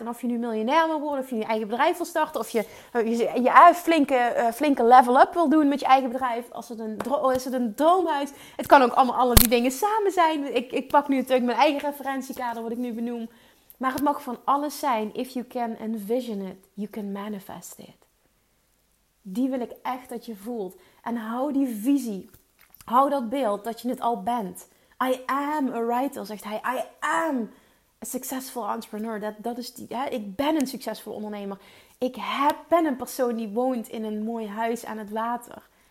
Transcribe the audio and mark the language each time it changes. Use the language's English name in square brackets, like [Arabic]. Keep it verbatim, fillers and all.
[Dutch] En of je nu miljonair wil worden, of je nu je eigen bedrijf wil starten, of je je, je, je flinke, uh, flinke level-up wil doen met je eigen bedrijf. Als het een, is het een droomhuis? Het kan ook allemaal alle die dingen samen zijn. Ik, ik pak nu natuurlijk mijn eigen referentiekader, wat ik nu benoem. Maar het mag van alles zijn. [English] If you can envision it, you can manifest it. [Dutch] Die wil ik echt dat je voelt. En hou die visie. Hou dat beeld dat je het al bent. [English] I am a writer, [Dutch] zegt hij. [English] I am a successful entrepreneur. [Dutch] Dat, dat is die, ja, ik ben een succesvol ondernemer. Ik heb, ben een persoon die woont in een mooi huis aan het water.